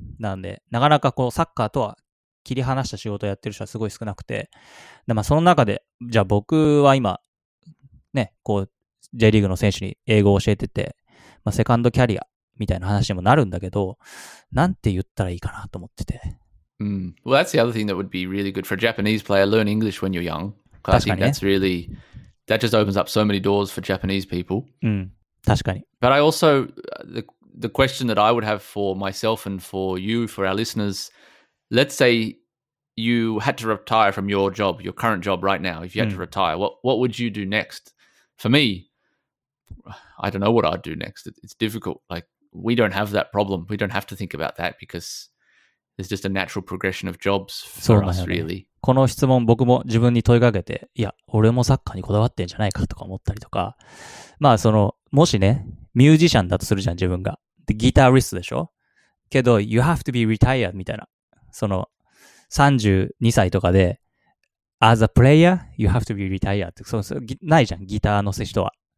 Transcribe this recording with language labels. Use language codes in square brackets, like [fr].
[ja] なんで、なかなかこう、サッカーとは、切り離した仕事をやってる人はすごい少なくて、でまあ、その中で、じゃあ僕は今、ね、こう、J リーグの選手に英語を教えてて、まあ、セカンドキャリアみたいな話にもなるんだけど、なんて言ったらいいかなと思ってて。 Mm. [en] Well, that's the other thing that would be really good for a Japanese player, learn English when you're young. [ja] 確かに、ね。 [en] I think that's really, that just opens up so many doors for Japanese people. [ja] うん、確かに。 [en] But I also, the question that I would have for myself and for you, for our listeners,Let's say you had to retire from your job, your current job right now. If you had to retire, what would you do next? For me, I don't know what I'd do next. It's difficult. Like, we don't have that problem. We don't have to think about that because there's just a natural progression of jobs for us, really. [ja] この質問僕も自分に問いかけて、いや、俺もサッカーにこだわってんじゃないかとか思ったりとか。まあ、その、もしね、ミュージシャンだとするじゃん、自分が。で、ギタリストでしょ？けど、 [en] you have to be retired [ja] みたいな。その32歳とかで [en] As a player, you have to be retired [ja] ってそうないじゃん、ギターの人は、